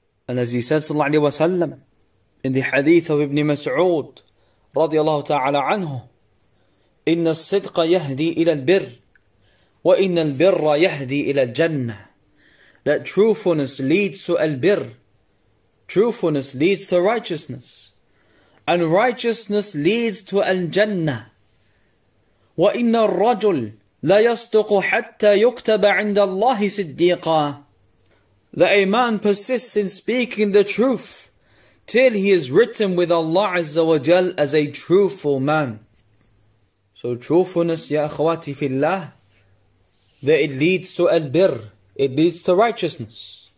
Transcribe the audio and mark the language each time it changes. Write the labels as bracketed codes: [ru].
[en] And as he said, sallallahu alayhi wa sallam, in the hadith of Ibn Mas'ud, radiallahu ta'ala anhu, [ar] إن الصدق يهدي إلى البر وإن البر يهدي إلى الجنة. [en] That truthfulness leads to albir. Truthfulness leads to righteousness. And righteousness leads to الجنة. [ar] وإن الرجل لا يصدق حتى يكتب عند الله صديقا. [en] That a man persists in speaking the truth till he is written with Allah Azza wa Jal as a truthful man. So truthfulness, ya akhwati fi Allah, that it leads to albir, it leads to righteousness.